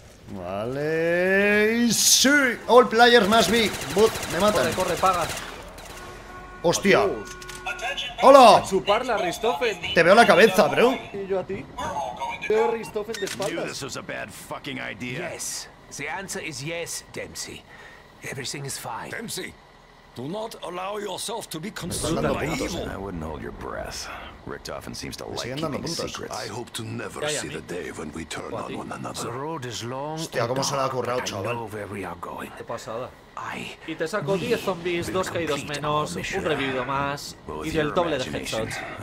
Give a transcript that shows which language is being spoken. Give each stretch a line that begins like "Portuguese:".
Spanish: Vale, sí.
English: All players must be. But
Spanish: me matan. Corre, paga. Hostia. ¡Hola! ¡Chuparla, Ristoffen! Te veo la cabeza, bro. Y yo a ti. Veo Ristoffen de espaldas.
English: This was a bad fucking idea. Yes. The answer is yes, Dempsey. Everything is fine. Dempsey, do not allow yourself to be consumed by evil. I wouldn't hold your breath. Richtofen seems to like keeping secrets. I hope to never see the day when we turn on one another. The road is long.
Spanish: Hostia, cómo se la ha currado, chaval. Qué pasada. Y te saco 10 zombies, 2 caídos menos, un revivido más y el doble de headshots.